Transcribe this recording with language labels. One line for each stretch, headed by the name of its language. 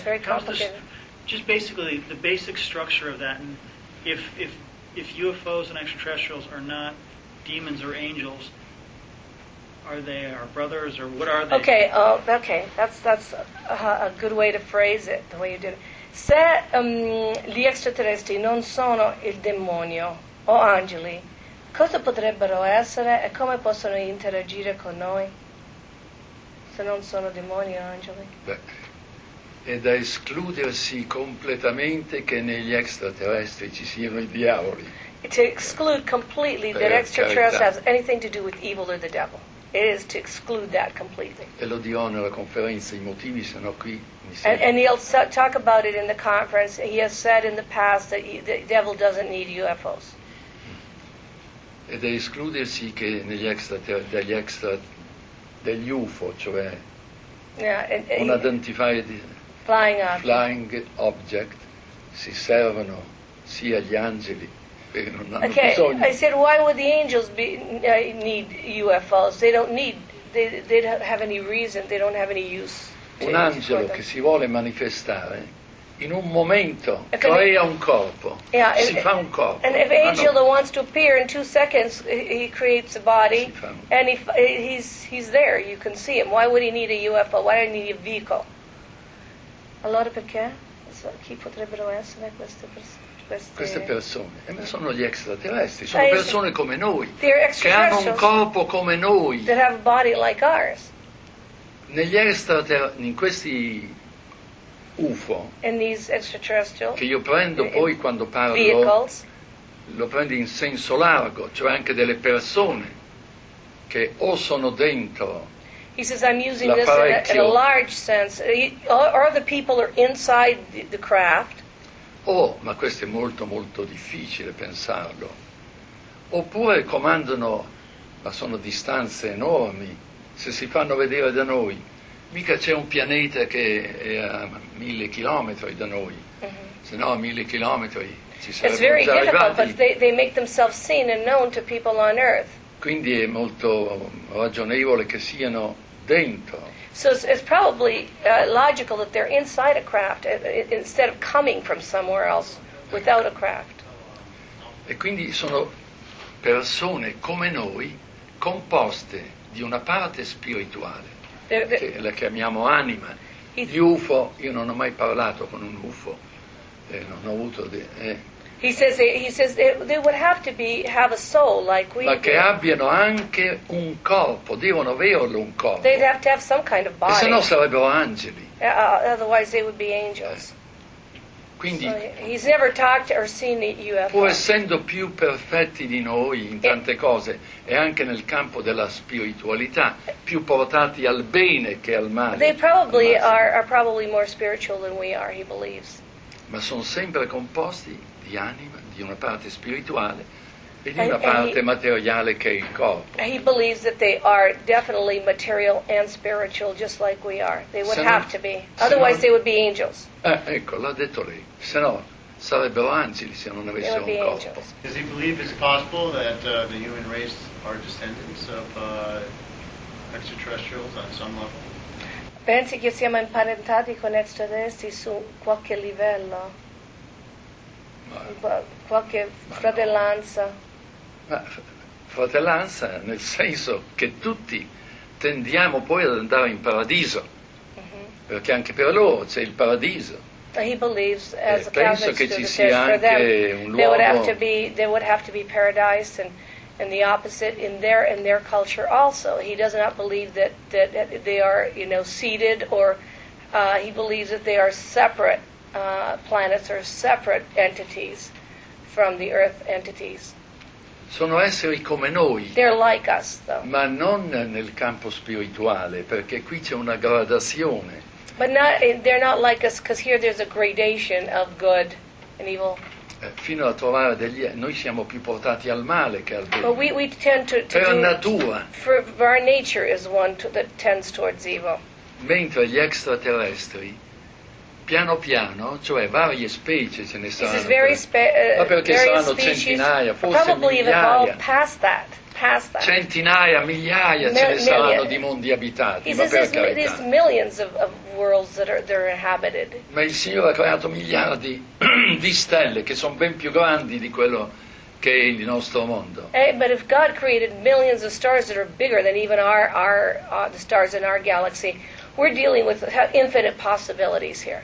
English: Very complicated. Just basically the basic structure of that, and if UFOs and extraterrestrials are not demons or angels, are they our brothers or what are they? Okay, that's a good way to phrase it, the way you did it.
Italian: Se gli extraterrestri non sono il demonio o angeli, cosa potrebbero essere e come possono interagire con noi se non sono demoni o angeli? Beh, è da escludersi completamente che negli extraterrestri ci siano i diavoli.
English: To exclude completely that extraterrestrials have anything to do with evil or the devil. It is to exclude that completely.
Italian: E lo dirò nella conferenza, i motivi sono qui.
English: And he'll talk about it in the conference. He has said in the past that the devil doesn't need UFOs.
Italian: Ed è escludersi che negli extra degli extra degli UFO, cioè un
English: identified flying object,
Italian: si servono sia gli angeli che non hanno bisogno.
English: I said, why would the angels need UFOs? They don't need. They don't have any reason. They don't have any use.
Italian: Un angelo che si vuole manifestare. In un momento crea un corpo, si fa un corpo.
English: And if angel that wants to appear in 2 seconds, he creates a body, and he's there. You can see him. Why would he need a UFO? Why would he need a vehicle?
Italian: Allora perché? Chi potrebbero essere queste persone? E sono gli extraterrestri. Sono persone come noi. Che hanno un corpo come noi.
English: That have a body like ours.
Italian: Negli extraterrestri, in questi UFO,
English: and these extraterrestrials,
Italian: che io prendo poi quando parlo,
English: vehicles,
Italian: lo prendo in senso largo, cioè anche delle persone che o sono dentro.
English: He says I'm using this in a large sense. Or the people are inside the craft.
Italian: Oh, ma questo è molto molto difficile pensarlo. Oppure comandano, ma sono distanze enormi. Se si fanno vedere da noi. Mica c'è un pianeta che è a 1,000 chilometri da noi, se no a 1,000 chilometri ci sarebbe già arrivati.
English: It's very difficult, but they make themselves seen and known to people on Earth.
Italian: Quindi è molto ragionevole che siano dentro.
English: So it's probably logical that they're inside a craft instead of coming from somewhere else without a craft.
Italian: E quindi sono persone come noi, composte di una parte spirituale. Che la chiamiamo anima. Gli UFO, io non ho mai parlato con un UFO, non ho avuto.
English: He says they would have a soul like we.
Italian: Ma che abbiano anche un corpo, devono averlo un corpo.
English: They'd have to have some kind of body.
Italian: Se no sarebbero angeli.
English: Otherwise they would be angels.
Italian: Quindi,
English: so he's never talked or seen the UFO.
Italian: Può essendo più perfetti di noi in tante cose e anche nel campo della spiritualità, più portati al bene che al male.
English: They probably are probably more spiritual than we are, he believes.
Italian: Ma sono sempre composti di anima, di una parte spirituale e di una parte materiale che è il corpo.
English: He believes that they are definitely material and spiritual, just like we are. They would have to be. Otherwise, they would be angels.
Italian: Ecco, l'ha detto lei. Se no, sarebbero angeli se non avessero un corpo.
English: Does he believe it's possible that the human race are descendants of extraterrestrials on some level?
Italian: Pensi che siamo imparentati con extraterrestri su qualche livello? Qualche fratellanza? Ma fratellanza nel senso che tutti tendiamo poi ad andare in paradiso, mm-hmm. perché anche per loro c'è il paradiso.
English: He believes, as
Italian: e penso che ci sia anche un luogo.
English: There would have to be paradise and the opposite in their culture also. He does not believe that they are, you know, seated, or he believes that they are separate planets or separate entities from the Earth entities.
Italian: Sono esseri come noi.
English: They're like us, though.
Italian: Ma non nel campo spirituale, perché qui c'è una gradazione.
English: But not, they're not like us, because here there's a gradation of good and evil.
Italian: Fino a trovare degli, noi siamo più portati al male che al bene.
English: But we tend to
Italian: per natura.
English: Our nature is one that tends towards evil.
Italian: Mentre gli extraterrestri, piano piano, cioè varie specie ce ne saranno. Ma perché saranno
English: species,
Italian: centinaia, forse migliaia.
English: Past that.
Italian: Centinaia, migliaia ce ne saranno di mondi abitati.
English: Is
Italian: ma per carità. Ma il Signore ha creato miliardi di stelle che sono ben più grandi di quello che è il nostro mondo.
English: But if God created millions of stars that are bigger than even our the stars in our galaxy, we're dealing with infinite possibilities here.